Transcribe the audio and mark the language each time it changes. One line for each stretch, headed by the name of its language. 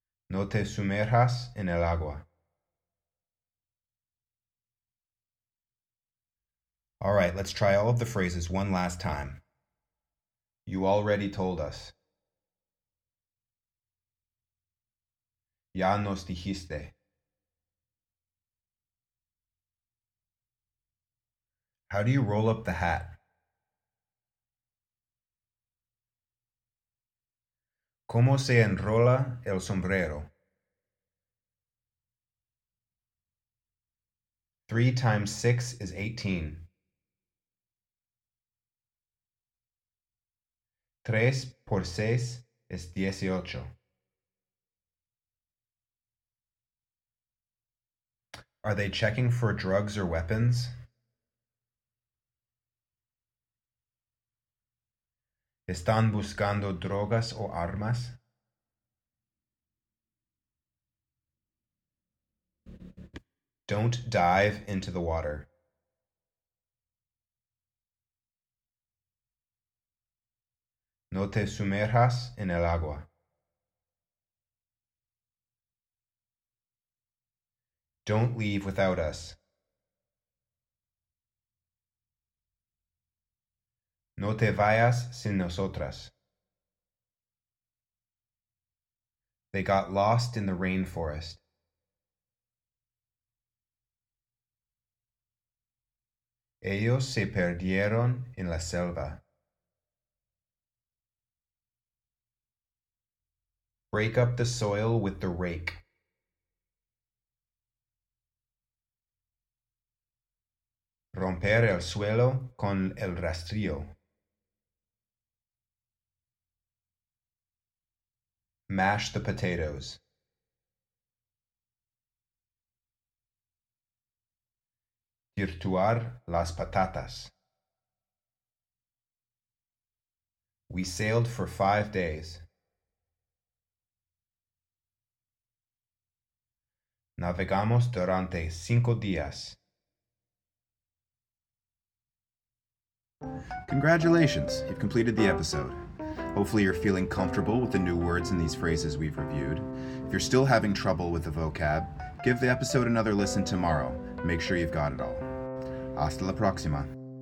Spanish: No te sumerjas en el agua.
English: All right, let's try all of the phrases one last time. You already told us.
Spanish: Ya nos dijiste.
English: How do you roll up the hat?
Spanish: ¿Cómo se enrola el sombrero?
English: 3 times 6 is 18.
Spanish: 3 por 6 es 18.
English: Are they checking for drugs or weapons?
Spanish: ¿Están buscando drogas o armas?
English: Don't dive into the water.
Spanish: No te sumerjas en el agua.
English: Don't leave without us.
Spanish: No te vayas sin nosotras.
English: They got lost in the rainforest.
Spanish: Ellos se perdieron en la selva.
English: Break up the soil with the rake.
Spanish: Romper el suelo con el rastrillo.
English: Mash the potatoes.
Spanish: Tirtuar las patatas.
English: We sailed for 5 days.
Spanish: Navegamos durante 5 días.
English: Congratulations, you've completed the episode. Hopefully you're feeling comfortable with the new words and these phrases we've reviewed. If you're still having trouble with the vocab, give the episode another listen tomorrow. Make sure you've got it all.
Spanish: Hasta la próxima.